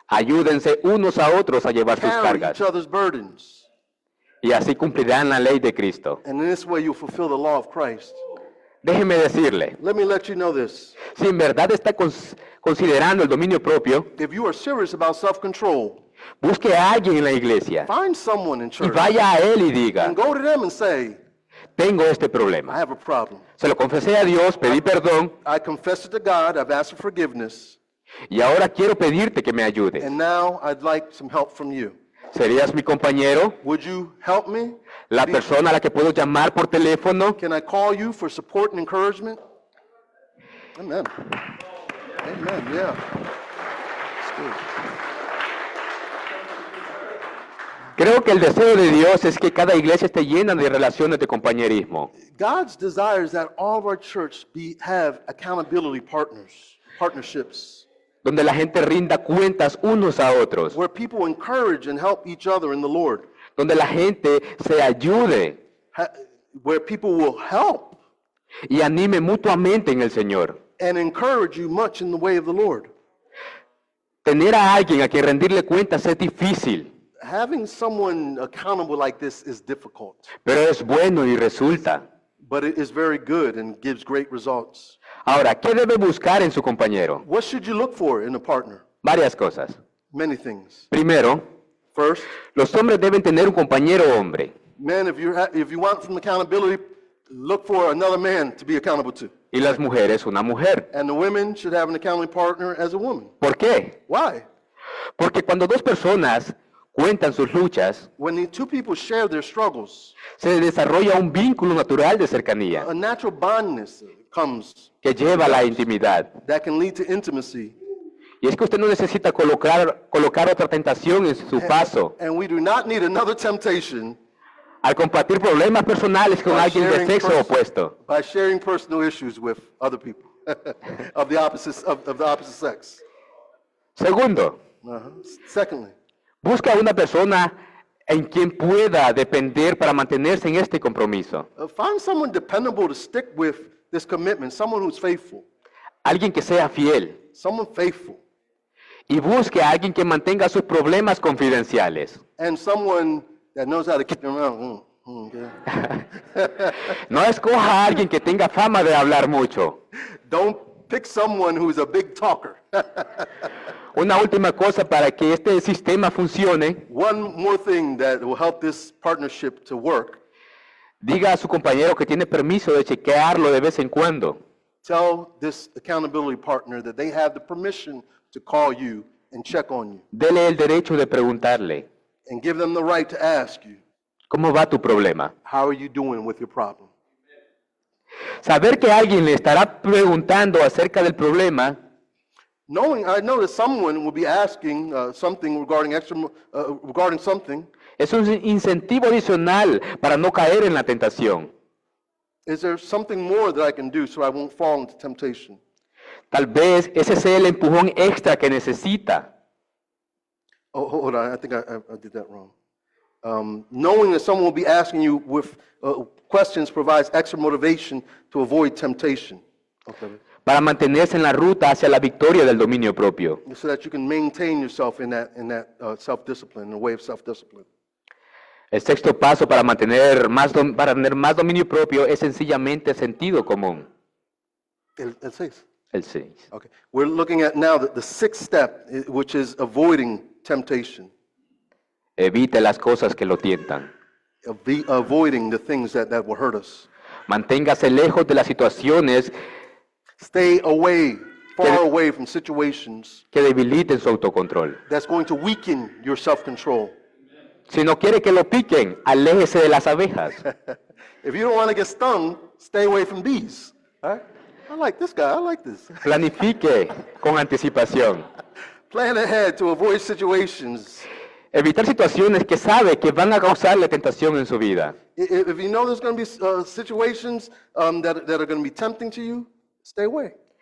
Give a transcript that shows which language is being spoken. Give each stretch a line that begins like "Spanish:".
Spanish: Ayúdense unos a otros a llevar sus cargas.
English: Carry each other's burdens.
Spanish: Y así cumplirán la ley de Cristo.
English: And in this way you fulfill the law of Christ.
Spanish: Déjeme decirle.
English: Let me let you know this.
Spanish: Si en verdad está considerando el dominio propio.
English: If you are serious about self-control.
Spanish: Busque a alguien en la iglesia.
English: Find someone in church.
Spanish: Y vaya a él y diga.
English: And go to them and say.
Spanish: Tengo este problema.
English: I have a problem.
Spanish: Se lo confesé a Dios, pedí perdón.
English: I confess it to God, I've asked for forgiveness.
Spanish: Y ahora quiero pedirte que me ayudes.
English: And now I'd like some help from you.
Spanish: ¿Serías mi compañero?
English: Would you help me?
Spanish: ¿La persona a la que puedo llamar por teléfono?
English: Can I call you for support and encouragement? Amen. Amen, yeah. That's good.
Spanish: Creo que el deseo de Dios es que cada iglesia esté llena de relaciones de compañerismo.
English: God's desire is that all of our church have accountability partnerships.
Spanish: Donde la gente rinda cuentas unos a otros.
English: Where people encourage and help each other in the Lord.
Spanish: Donde la gente se ayude.
English: Where people will help.
Spanish: Y anime mutuamente en el Señor.
English: And encourage you much in the way of the Lord.
Spanish: Tener a alguien a quien rendirle cuentas es difícil.
English: Having someone accountable like this is difficult.
Spanish: Pero es bueno y resulta.
English: But it is very good and gives great results.
Spanish: Ahora, ¿qué debe buscar en su compañero?
English: What should you look for in a partner?
Spanish: Varias cosas.
English: Many things.
Spanish: Primero,
English: first,
Spanish: los hombres deben tener un compañero hombre.
English: Men, if you want some accountability, look for another man to be accountable to.
Spanish: Y las mujeres, una mujer.
English: And the women should have an accountable partner as a woman.
Spanish: ¿Por qué?
English: Why?
Spanish: Porque cuando dos personas cuentan sus luchas.
English: When the two people share their struggles,
Spanish: se desarrolla un vínculo natural de cercanía.
English: A natural bondness comes.
Spanish: Que lleva a la intimidad.
English: That can lead to intimacy.
Spanish: Y es que usted no necesita colocar otra tentación en su paso.
English: And we do not need another temptation.
Spanish: Al compartir problemas personales con alguien de sexo opuesto.
English: By sharing personal issues with other people of the opposite sex.
Spanish: Segundo.
English: Secondly.
Spanish: Busca una persona en quien pueda depender para mantenerse en este compromiso.
English: Find someone dependable to stick with this commitment. Someone who's faithful.
Spanish: Alguien que sea fiel.
English: Someone faithful.
Spanish: Y busque a alguien que mantenga sus problemas confidenciales.
English: And someone that knows how to keep them around.
Spanish: No escoja a alguien que tenga fama de hablar mucho.
English: Don't pick someone who's a big talker.
Spanish: Una última cosa para que este sistema funcione.
English: One more thing that will help this partnership to work.
Spanish: Diga a su compañero que tiene permiso de chequearlo de vez en cuando.
English: Tell this accountability partner that they have the permission to call you and check on you.
Spanish: Dele el derecho de preguntarle.
English: And give them the right to ask you.
Spanish: ¿Cómo va tu problema?
English: How are you doing with your problem?
Spanish: Saber que alguien le estará preguntando acerca del problema.
English: Knowing, I know that someone will be asking something regarding extra, regarding something.
Spanish: Es un incentivo adicional para no caer en la tentación.
English: Is there something more that I can do so I won't fall into temptation?
Spanish: Tal vez ese sea el empujón extra que necesita.
English: Oh, hold on, I think I did that wrong. Knowing that someone will be asking you with questions provides extra motivation to avoid temptation. Okay.
Spanish: Para mantenerse en la ruta hacia la victoria del dominio propio.
English: So that you can maintain yourself in that self-discipline, in a way of self-discipline.
Spanish: El sexto paso para tener más dominio propio es sencillamente sentido común. El seis. El seis.
English: Okay. We're looking at now the sixth step, which is avoiding temptation.
Spanish: Evite las cosas que lo tientan.
English: Avoiding the things that will hurt us.
Spanish: Manténgase lejos de las situaciones.
English: Stay away, far away from situations
Spanish: que debiliten su autocontrol.
English: That's going to weaken your self-control.
Spanish: Si no quiere que lo piquen, aléjese de las abejas.
English: If you don't want to get stung, stay away from bees. I like this guy, I like this.
Spanish: Planifique con anticipación.
English: Plan ahead to avoid situations.
Spanish: Evitar situaciones que sabe que van a causar la tentación en su vida.
English: If you know there's going to be situations that are going to be tempting to you, stay away.